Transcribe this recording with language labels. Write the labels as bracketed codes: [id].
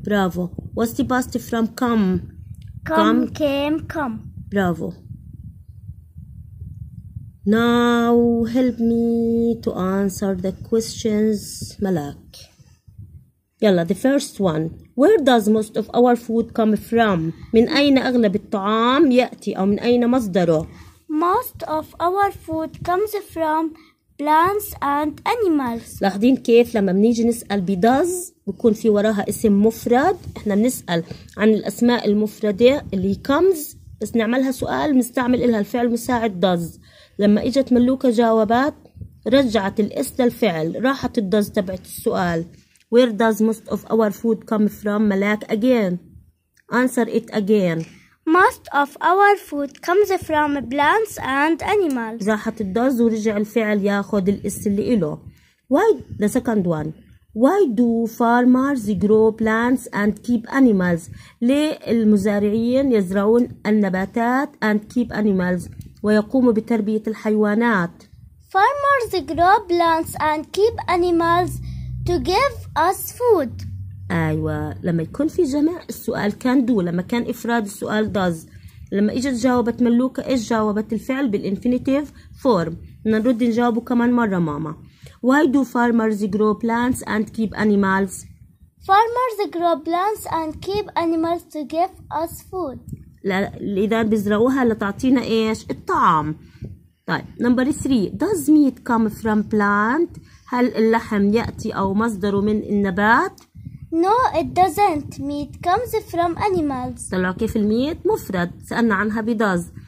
[en] Bravo. What's the past from come? Come, came, come. Bravo. Now help me to answer the questions, Malak. يلا, the first one. Where does most of our food come from? [ar] من أين أغلب الطعام يأتي أو من أين مصدره؟ [en] Most of our food comes from plants and animals. [ar] لاحظين كيف لما بنيجي نسأل ب does بكون في وراها اسم مفرد. احنا بنسأل عن الأسماء المفردة اللي comes, بس نعملها سؤال بنستعمل إلها الفعل مساعد does. لما إجت ملوكة جاوبات رجعت الاس للفعل, راحت الدز تبعت السؤال. [en] Where does most of our food come from, Malak? Again, answer it again. Most of our food comes from plants and animals. [ar] راحت الدز ورجع الفعل ياخد الاس اللي إله. [en] Why, the second one. Why do farmers grow plants and keep animals? [ar] ليه المزارعين يزرعون النباتات [en] and keep animals [ar] ويقوموا بتربية الحيوانات؟ [en] Farmers grow plants and keep animals to give us food. [ar] أيوة, لما يكون في جمع السؤال كان do, لما كان إفراد السؤال does. لما إجت جاوبت ملوكة إيش جاوبت الفعل بالإنفينيتيف فورم. نرد نجاوبه كمان مرة ماما. [en] Why do farmers grow plants and keep animals? Farmers grow plants and keep animals to give us food. [ar] إذا بيزرعوها لتعطينا إيش؟ الطعام. [en] طيب, number three. Does meat come from plant? [ar] هل اللحم يأتي أو مصدره من النبات؟ [en] No, it doesn't. Meat comes from animals. [ar] طلعوا كيف الميت مفرد, سألنا عنها ب does.